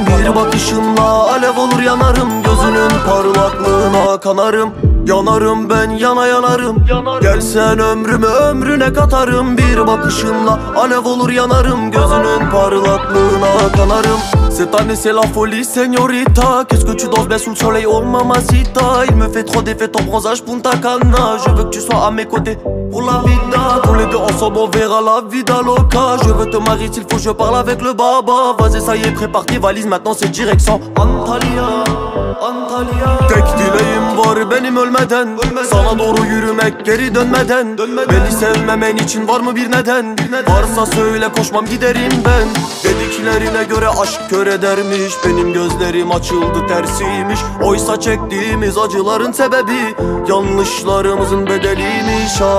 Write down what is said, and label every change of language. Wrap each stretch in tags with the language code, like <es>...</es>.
<tr>Bir bakışınla alev olur yanarım. Gözünün parlaklığına kanarım. Yanarım ben yana yanarım. Gel sen ömrümü ömrüne katarım. Bir bakışınla alev olur yanarım. Gözünün parlaklığına kanarım.</tr> <fr>Se tane c'est la folie señorita. Qu'est-ce que tu danses bien sous le soleil oh mamacita. Il me fait trop d'effet ton bronzage Punta Cana. Je veux que tu sois à mes côtés pour la vida. Tous les deux ensemble on verra la vida loca. Je veux te marier s'il faut je parle avec le baba. Vas-y ça y est, prépare tes valises maintenant c'est direction Antalya. Antalya.</fr> <tr>Tek dileğim var benim ölmeden. Sana doğru yürümek geri dönmeden. Beni sevmemen için var mı bir neden? Varsa söyle, koşmam giderim ben. Dediklerine göre aşk kör edermiş. Benim gözlerim açıldı tersiymiş. Oysa çektiğimiz acıların sebebi yanlışlarımızın bedeliymiş.</tr>